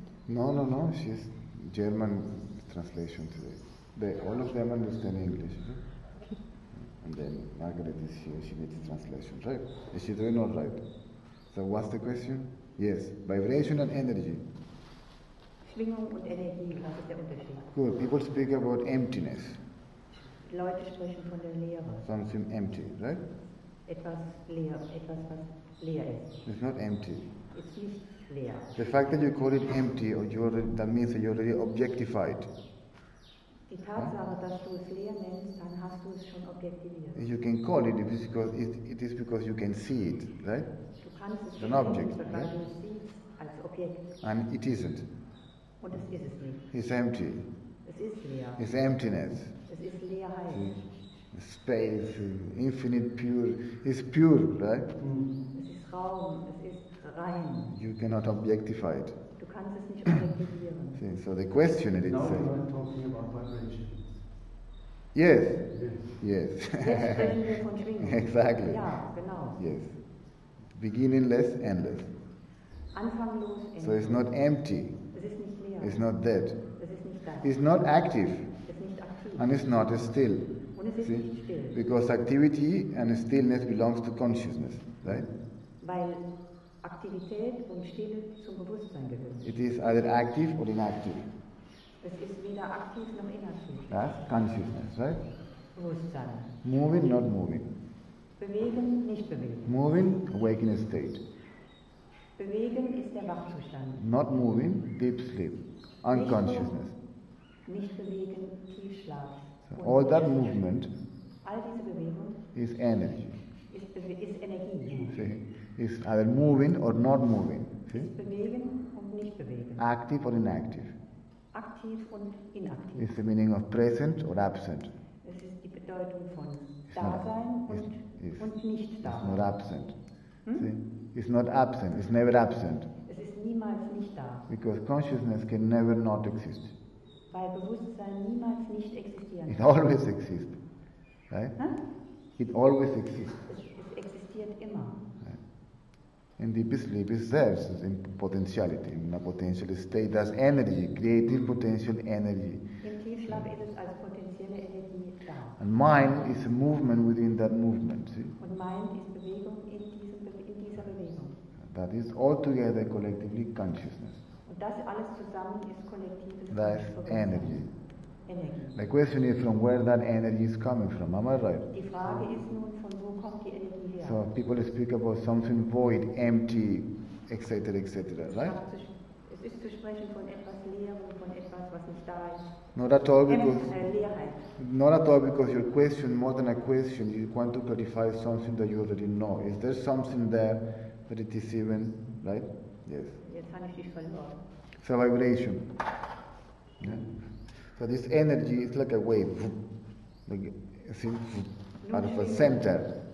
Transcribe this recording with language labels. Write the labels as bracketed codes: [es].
[en] No, no, no, she's German translation today. All of them understand English. Okay. And then Margaret is here, she needs a translation, right? Is she doing all right? So what's the question? Yes, vibration and energy. [de] Schwingung und Energie, was ist der Unterschied? [en] Good, people speak about emptiness. [de] Leute sprechen von der Leere. [en] Something empty, right? [de] Etwas leer, etwas was leer ist. [en] It's not empty. It's [de] nicht leer. [en] The fact that you call it empty, or you already, that means that you're already objectified. [de] Die Tatsache, dass du es leer nennst, dann hast du es schon objektiviert. [en] You can call it, because it is because you can see it, right? [de] Du kannst es schon [en] object, [de] sehen, [en] right? [de] Du siehst als Objekt. [en] And it isn't. [de] Und es ist es nicht. [en] It's empty. [de] Es ist leer. [en] It's emptiness. [de] Es ist Leerheit. [en] See? Space, infinite pure, is pure, right? [de] Es ist Raum, es ist rein. [en] You cannot objectify it. [de] Du kannst es nicht objektivieren. [en] See, so the question it is. Now we are talking about vibrations. Yes. Yes. Yes. Exactly. [de] Ja, genau. [en] Yes. Beginningless, endless. [de] Anfanglos, endlos. [en] So it's not empty. [de] Es ist nicht leer. [en] It's not dead. [de] Es ist nicht da. [en] It's not active. [de] Es ist nicht aktiv. [en] And it's not still. See? Because activity and stillness belongs to consciousness, right? [de] Weil Aktivität und Stille zum Bewusstsein gehören. [en] It is either active or inactive. [de] Es ist weder aktiv noch inaktiv. [en] That's consciousness, right? [de] Bewusstsein. [en] Moving, not moving. [de] Bewegen, nicht bewegen. [en] Moving, awakening state. [de] Bewegen ist der Wachzustand. [en] Not moving, deep sleep, unconsciousness. [de] Nicht bewegen, Tiefschlaf. [en] All that movement [de] all diese Bewegung [en] is energy. [de] Is Energie. [en] See? Is either moving or not moving. [de] Ist bewegen und nicht bewegen. [en] Active or inactive. [de] Aktiv und inaktiv. [en] Is the meaning of present or absent. [de] Es ist die Bedeutung von Dasein und nicht da. [en] It's not absent. See? It's not absent. It's never absent. [de] Es ist niemals nicht da. [en] Because consciousness can never not exist. [de] Weil Bewusstsein niemals nicht existieren kann. [en] It always exists, right? Huh? It always exists. [de] Es existiert immer. [en] Right. And deep sleep is there, so in potentiality, in a potential state, as energy, creative potential energy. [de] Im Tiefschlaf ist es als potenzielle Energie da. [en] And mind is a movement within that movement, see? [de] Und mind ist Bewegung in dieser Bewegung. [en] That is altogether collectively consciousness. [de] Das alles zusammen ist kollektives Bewusstsein. [en] That's energy. The question is from where that energy is coming from. Am I right? [de] Die Frage ist nun, von wo kommt die Energie her? [en] So people speak about something void, empty, etc., etc., right? [de] Es ist zu sprechen von etwas Leerem, von etwas, was nicht da ist. [en] Not at all because [de] Leerheit. [en] Not at all because your question, more than a question, you want to clarify something that you already know. Is there something there that it is even, right? Yes. It's a vibration. Yeah. So this energy is like a wave. Like, see, out of a center.